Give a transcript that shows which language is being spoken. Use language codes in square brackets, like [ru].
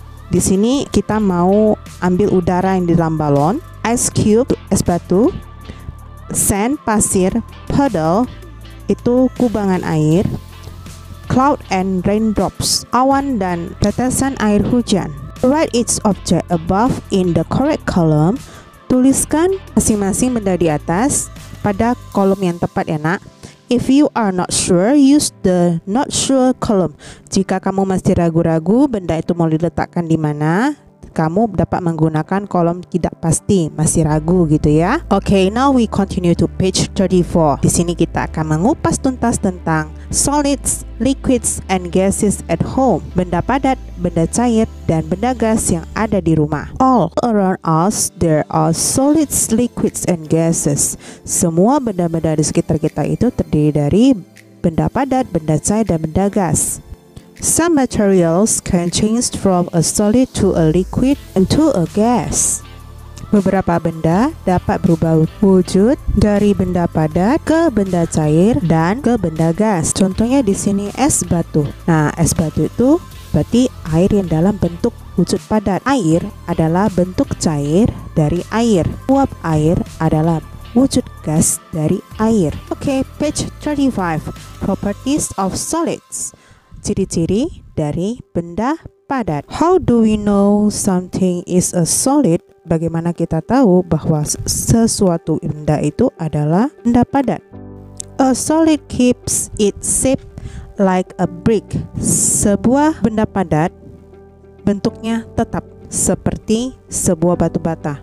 [id] Di sini kita mau ambil udara yang di dalam balon, ice cube itu es batu, sand pasir, puddle itu kubangan air, cloud and raindrops awan dan tetesan air hujan. [en] Write each object above in the correct column. [id] Tuliskan masing-masing benda di atas pada kolom yang tepat ya nak. [en] If you are not sure, use the not sure column. [id] Jika kamu masih ragu-ragu benda itu mau diletakkan di mana, kamu dapat menggunakan kolom tidak pasti, masih ragu gitu ya. [en] Okay, now we continue to page 34. [id] Di sini kita akan mengupas tuntas tentang [en] solids, liquids, and gases at home. [id] Benda padat, benda cair, dan benda gas yang ada di rumah. [en] All around us, there are solids, liquids, and gases. [id] Semua benda-benda di sekitar kita itu terdiri dari benda padat, benda cair, dan benda gas. [en] Some materials can change from a solid to a liquid and to a gas. [id] Beberapa benda dapat berubah wujud dari benda padat ke benda cair dan ke benda gas. Contohnya di sini es batu. Nah, es batu itu berarti air yang dalam bentuk wujud padat. Air adalah bentuk cair dari air. Uap air adalah wujud gas dari air. [en] Okay, page 35. Properties of solids. [id] Ciri-ciri dari benda padat. [en] How do we know something is a solid? [id] Bagaimana kita tahu bahwa sesuatu benda itu adalah benda padat? [en] A solid keeps its shape like a brick. [id] Sebuah benda padat bentuknya tetap seperti sebuah batu bata.